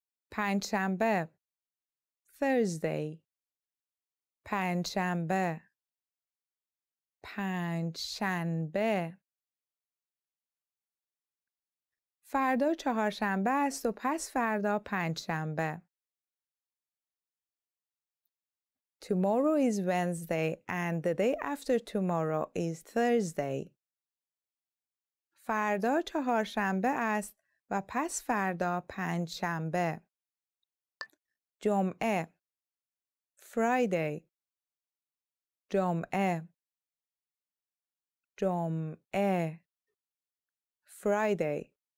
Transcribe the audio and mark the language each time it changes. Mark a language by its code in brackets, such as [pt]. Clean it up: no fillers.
[fa] پنجشنبه Thursday. پنجشنبه پنجشنبه. فردا چهارشنبه است و پس فردا پنجشنبه. [en] Tomorrow is Wednesday and the day after tomorrow is Thursday. [fa] فردا چهارشنبه است و پس فردا پنجشنبه. جمعه Friday. جمعه جمعه Friday.